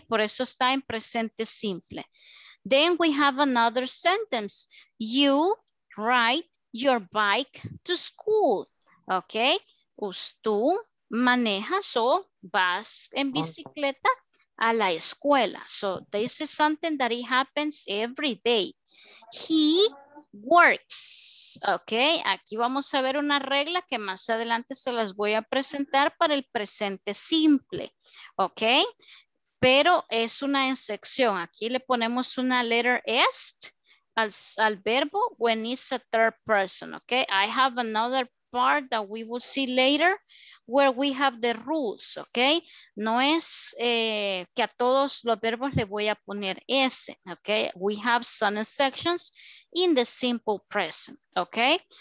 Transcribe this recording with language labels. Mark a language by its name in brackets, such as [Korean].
[Spanish] Por eso está en presente simple. [English] Then we have another sentence. You ride your bike to school, okay? [Spanish] Tú manejas o vas en bicicleta a la escuela. [English] So this is something that it happens every day. He works, okay. [Spanish] Aquí vamos a ver una regla que más adelante se las voy a presentar para el presente simple, okay. Pero es una excepción. Aquí le ponemos una letter S al verbo [English] when it's a third person, [Spanish] okay. [English] I have another part that we will see later where we have the rules, okay. [Spanish] No es que a todos los verbos le voy a poner S, okay. [English] We have some exceptions in the simple present, okay?